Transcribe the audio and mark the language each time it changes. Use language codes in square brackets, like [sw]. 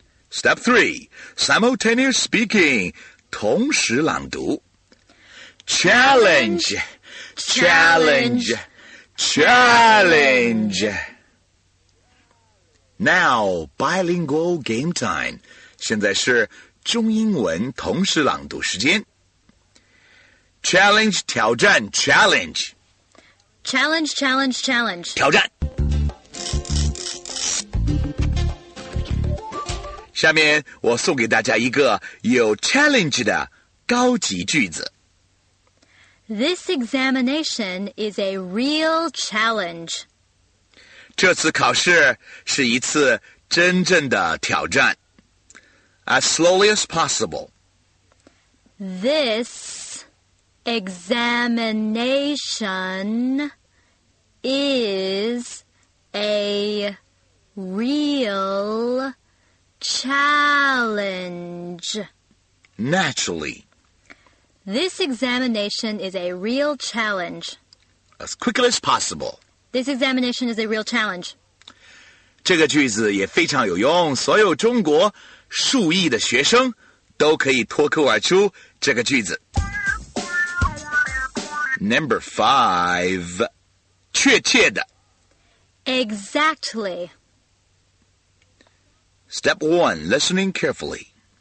[en] Step three, simultaneous speaking, [zh] 同时朗读。 [en] Challenge. Challenge. Challenge. Now, bilingual game time. [zh] 现在是中英文同时朗读时间。 [en] Challenge, [zh] 挑战 [en] challenge. Challenge, challenge, challenge. [zh] 挑战。下面我送给大家一个有 challenge 的高级句子。 [en] This examination is a real challenge. [zh] 这次考试是一次真正的挑战。 [en] As slowly as possible. This examination is a real challenge. Naturally. This examination is a real challenge. As quickly as possible. This examination is a real challenge. [zh] 这个句子也非常有用，所有中国数亿的学生都可以脱口而出这个句子。 [en] Number five, [zh] 确切的。 [en] Exactly. Step one, listening carefully.